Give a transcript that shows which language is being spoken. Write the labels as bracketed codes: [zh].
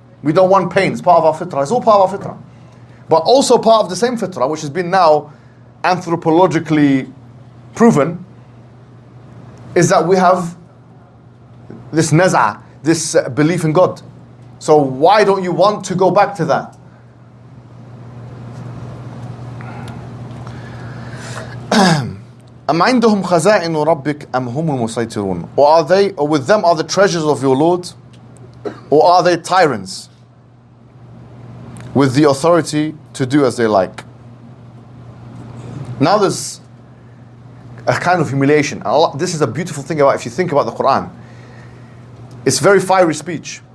[en] We don't want pain. It's part of our fitrah. It's all part of our fitrah. But also part of the same fitrah, which has been now anthropologically proven, is that we have this naza, this belief in God. So why don't you want to go back to that? [ar] Am عندهم خزائن ربك أم هم المسيطرون? [en] Or are they, or with them are the treasures of your Lord? Or are they tyrants with the authority to do as they like? Now there's a kind of humiliation. Allah, this is a beautiful thing about, if you think about the Quran, it's very fiery speech.